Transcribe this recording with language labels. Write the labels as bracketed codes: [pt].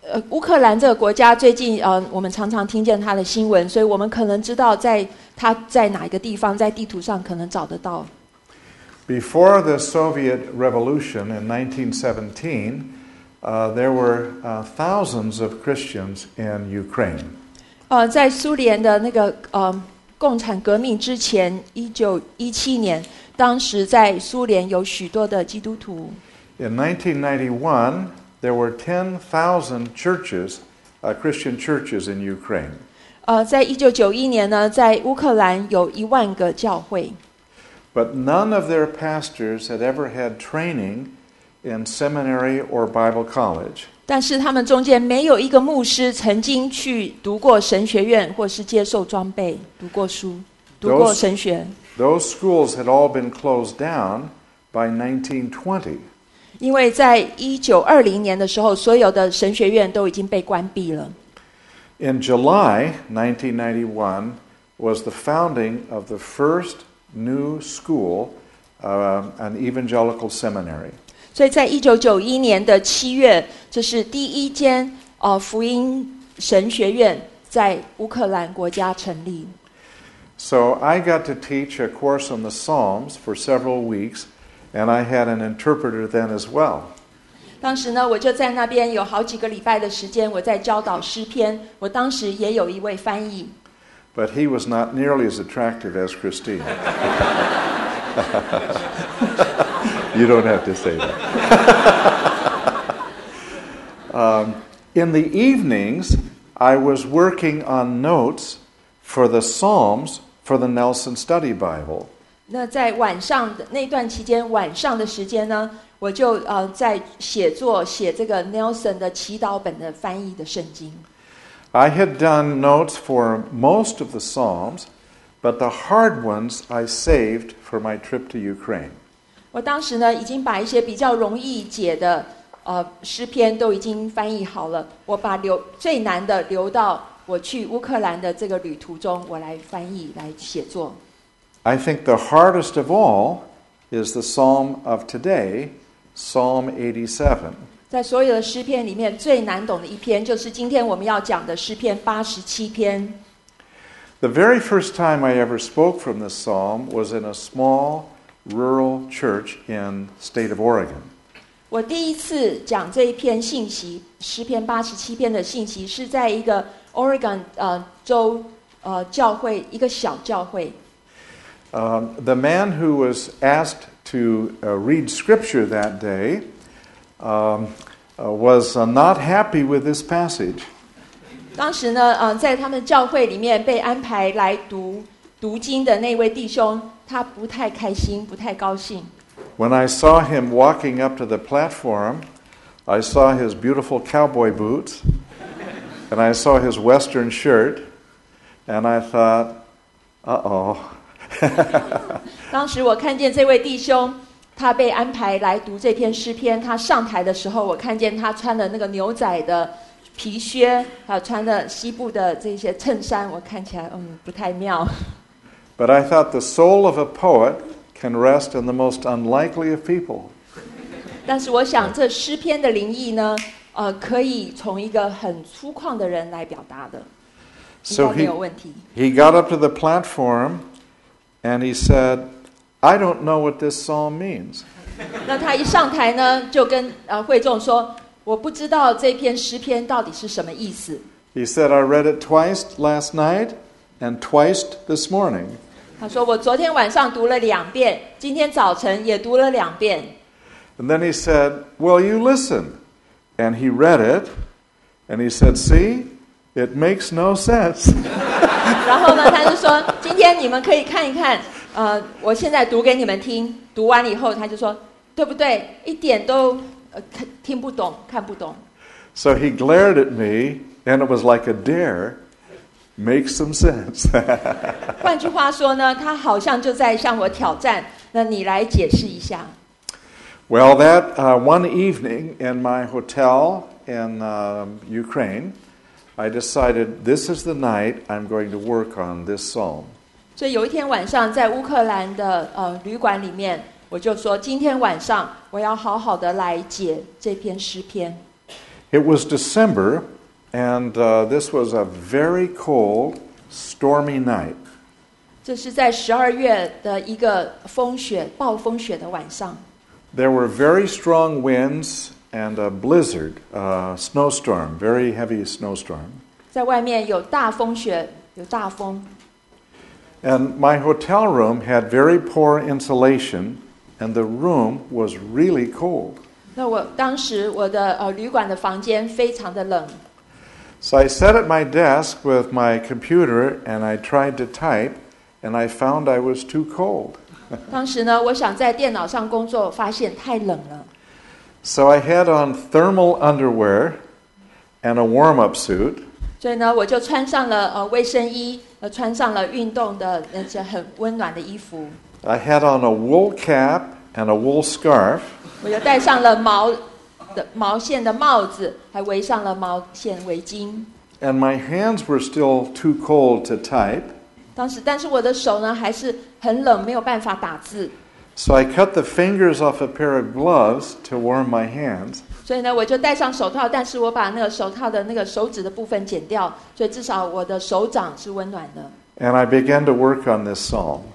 [zh] 乌克兰这个国家最近我们常常听见它的新闻，所以我们可能知道在它在哪一个地方，在地图上可能找得到。 [en] Before the Soviet Revolution in 1917, there were thousands of Christians in Ukraine. [zh] 在苏联的那个共产革命之前，1917年，当时在苏联有许多的基督徒。 [en] In 1991, there were 10,000 churches, Christian churches in Ukraine. [zh] 在1991年呢，在乌克兰有一万个教会。 [en] But none of their pastors had ever had training in seminary or Bible college. [zh] 但是他们中间没有一个牧师曾经去读过神学院，或是接受装备，读过书，读过神学。 [en] Those schools had all been closed down by 1920. [zh] 因为在1920年的时候，所有的神学院都已经被关闭了。 [en] In July 1991 was the founding of the first new school, an evangelical seminary. [zh] 所以在1991年的七月，这是第一间福音神学院在乌克兰国家成立。 [en] So I got to teach a course on the Psalms for several weeks, and I had an interpreter then as well. [zh] 当时呢，我就在那边有好几个礼拜的时间，我在教导诗篇。我当时也有一位翻译。 [en] But he was not nearly as attractive as Christine. You don't have to say that. In the evenings, I was working on notes for the Psalms for the Nelson Study Bible. [zh] 那在晚上那段期间，晚上的时间呢，我就在写作写这个 Nelson 的祈祷本的翻译的圣经。 [en] I had done notes for most of the Psalms, but the hard ones I saved for my trip to Ukraine. [zh] 我当时呢已经把一些比较容易解的诗篇都已经翻译好了，我把最难的留到我去乌克兰的这个旅途中，我来翻译来写作。 [en] I think the hardest of all is the Psalm of today, Psalm 87. [zh] 在所有的诗篇里面，最难懂的一篇就是今天我们要讲的诗篇八十七篇。 [en] The very first time I ever spoke from this Psalm was in a small rural church in state of Oregon. [zh] 我第一次讲这一篇信息，诗篇八十七篇的信息，是在一个Oregon 州教会，一个小教会。 [en] The man who was asked to read scripture that day was not happy with this passage. [zh] 当时呢，在他们教会里面被安排来读经的那位弟兄，他不太开心，不太高兴。 [en] When I saw him walking up to the platform, I saw his beautiful cowboy boots. And I saw his western shirt, and I thought, uh-oh. [zh] 当时我看见这位弟兄，他被安排来读这篇诗篇。他上台的时候，我看见他穿了那个牛仔的皮靴，还有穿的西部的这些衬衫，我看起来不太妙。 [en] But I thought the soul of a poet can rest in the most unlikely of people. [zh] 但是我想这诗篇的灵异呢，可以从一个很粗犷的人来表达的，应该没有问题。 [en] He got up to the platform, and he said, "I don't know what this psalm means." [zh] 那他一上台呢，就跟会众说，我不知道这篇诗篇到底是什么意思。 [en] He said, "I read it twice last night and twice this morning." [zh] 他说我昨天晚上读了两遍，今天早晨也读了两遍。 [en] And then he said, "Will you listen?" And he read it, and he said, "See, it makes no sense." [zh] 然后呢，他就说，今天你们可以看一看，我现在读给你们听。读完以后，他就说，对不对？一点都。听不懂，看不懂。 [en] So he glared at me, and it was like a dare. Makes some sense. [zh] 换句话说呢，他好像就在向我挑战。那你来解释一下。 [en] Well, that one evening in my hotel in Ukraine, I decided this is the night I'm going to work on this psalm. [zh] 所以有一天晚上在乌克兰的旅馆里面。我就说今天晚上我要好好的来解这篇诗篇。 [en] It was December, and this was a very cold, stormy night. [zh] 这是在十二月的一个风雪、暴风雪的晚上。 [en] There were very strong winds and a blizzard, a snowstorm, very heavy snowstorm. [zh] 在外面有大风雪，有大风。 [en] And my hotel room had very poor insulation. And the room was really cold. [zh] 那我当时我的旅馆的房间非常的冷。 [en] So I sat at my desk with my computer and I tried to type, and I found I was too cold. [zh] 当时呢，我想在电脑上工作，发现太冷了。 [en] So I had on thermal underwear and a warm-up suit. [zh] 所以呢，我就穿上了卫生衣，穿上了运动的那些很温暖的衣服。 [en] I had on a wool cap and a wool scarf. [zh] 我又戴上了毛线的帽子，还围上了毛线围巾。 [en] And my hands were still too cold to type. [zh] 当时，但是我的手呢还是很冷，没有办法打字。 [en] So I cut the fingers off a pair of gloves to warm my hands. [zh] 所以呢，我就戴上手套，但是我把那个手套的那个手指的部分剪掉，所以至少我的手掌是温暖的。 [en] And I began to work on this psalm.